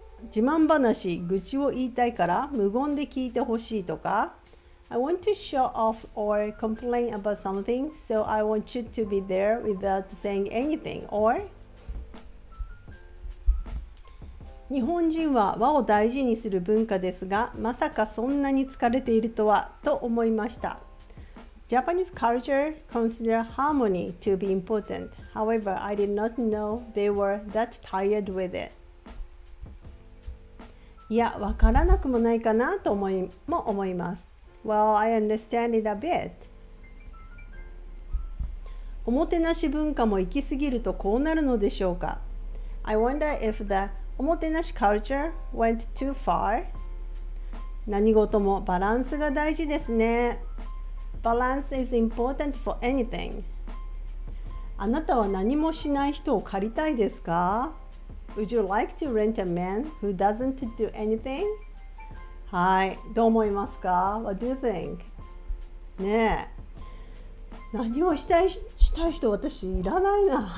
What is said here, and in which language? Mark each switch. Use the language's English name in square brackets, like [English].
[Japanese] 自慢話愚痴を言いたいから無言で聞いてほしいとか、 [English] I want to show off or complain about something, so I want you to be there without saying anything. Or, [Japanese] 日本人は和を大事にする文化ですが、まさかそんなに疲れているとはと思いました。 [English] Japanese culture considers harmony to be important. However, I did not know they were that tired with it. [Japanese] いや、わからなくもないかなと思います。 [English] Well, I understand it a bit. [Japanese] おもてなし文化も行き過ぎるとこうなるのでしょうか。 [English] I wonder if the おもてなし culture went too far. [Japanese] 何事もバランスが大事ですね。 [English] Balance is important for anything. [Japanese] あなたは何もしない人を借りたいですか。 [English] Would you like to rent a man who doesn't do anything? [Japanese] はい、どう思いますか？ [English] What do you think? [Japanese] ねえ、何をしたい人、私いらないな。